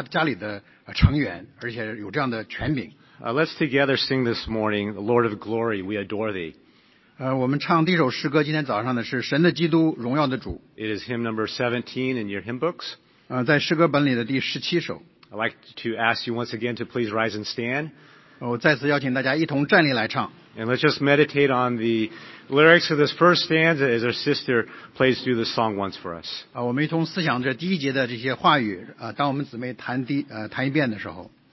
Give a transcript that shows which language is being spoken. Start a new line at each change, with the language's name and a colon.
Chinese: 不但是这个聚会，而且是我们是他的家里的成员，而且有这样的权柄。
English: Let's together sing this morning, Lord of Glory, we adore Thee.
Chinese: 我们唱第一首诗歌，今天早上的是神的基督，荣耀的主。
English: It is hymn number 17 in your hymn books.
Chinese: 在诗歌本里的第17首。
English: I'd like to ask you once again to please rise and stand.
Chinese: 我再次邀请大家一同站立来唱。
English: And let's just meditate on the lyrics of this first stanza as our sister plays through the song once for us.
Chinese: 我们一同思想着第一节的这些话语，当我们姊妹弹一遍的时候。